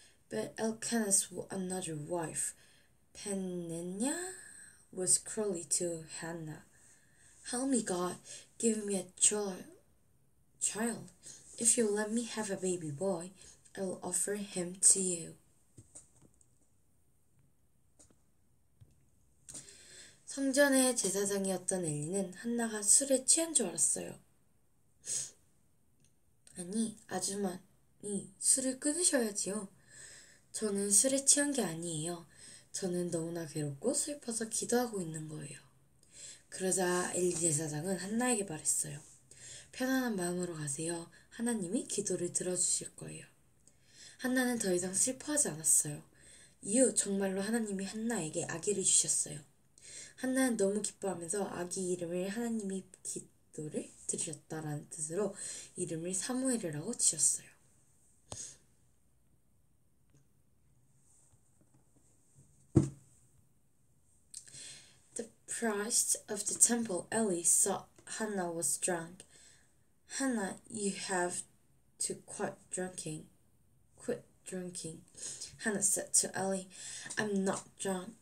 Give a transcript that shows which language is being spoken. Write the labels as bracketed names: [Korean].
[English] But Elkanah's another wife, Peninnah, was cruelly to Hannah. Help me, God. Give me a child. If you let me have a baby boy, I'll offer him to you. [Korean] 성전의 제사장이었던 엘리는 한나가 술에 취한 줄 알았어요. 아니, 아주머니, 술을 끊으셔야지요. 저는 술에 취한 게 아니에요. 저는 너무나 괴롭고 슬퍼서 기도하고 있는 거예요. 그러자 엘리 제사장은 한나에게 말했어요. 편안한 마음으로 가세요. 하나님이 기도를 들어주실 거예요. 한나는 더 이상 슬퍼하지 않았어요. 이후 정말로 하나님이 한나에게 아기를 주셨어요. 한나는 너무 기뻐하면서 아기 이름을 하나님이 기도를 드렸다라는 뜻으로 이름을 사무엘이라고 지었어요. [English] The priest of the temple, Eli, saw Hannah was drunk. Hannah, you have to quit drinking. Quit drinking. Hannah said to Eli, I'm not drunk.